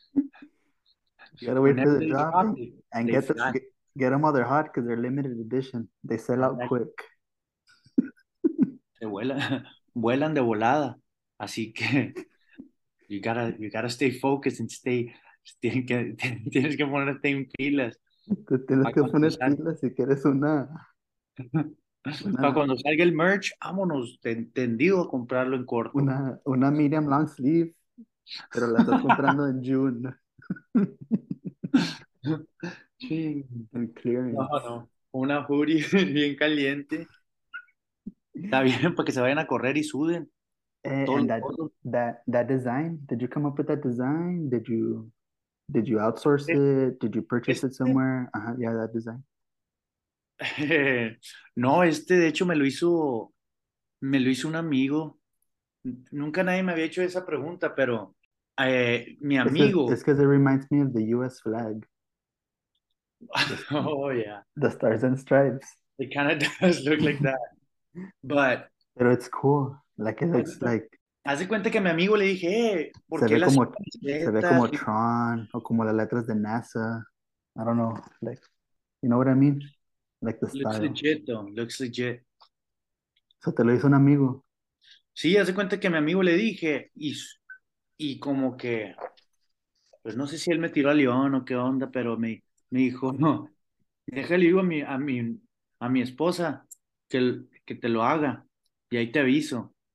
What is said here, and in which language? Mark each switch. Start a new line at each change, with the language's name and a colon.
English: You gotta wait for the drop and get them while they're hot because they're limited edition. They sell out quick.
Spanish: Se vuelan de volada. Así que
English: you gotta stay focused and stay.
Spanish: Tienes que ponerte en pilas. Te tienes que poner pilas si quieres una. Cuando salga el merch, vámonos, tendido a comprarlo en corto. Una
English: medium long sleeve,
Spanish: pero la estás comprando en June. Sí. En clearance. No. Una hoodie bien caliente. Está bien, porque se vayan a correr y suden.
English: And that design, did you come up with that design? Did you outsource it? Did you purchase it somewhere? Uh-huh, yeah, that design.
Spanish: No, de hecho me lo hizo un amigo. Nunca nadie me había hecho esa pregunta, pero mi amigo.
English: It's because it reminds me of the U.S. flag. Oh yeah. The stars and stripes. It kind of does look like that, but.
Spanish: Pero
English: it's cool. Like it looks like.
Spanish: Haz de cuenta que a mi amigo le dije, ¿por se qué ve las como, se ve como Tron o como las letras de NASA.
English: I don't know. Like, you know what I mean? Like the looks style. Legit, though. Looks legit. So
Spanish: te lo hizo un amigo. Sí, haz de cuenta que a mi amigo le dije y como que, pues no sé si él me tiró a León o qué onda, pero me dijo, no, déjale digo a mi esposa que te lo haga y ahí te aviso.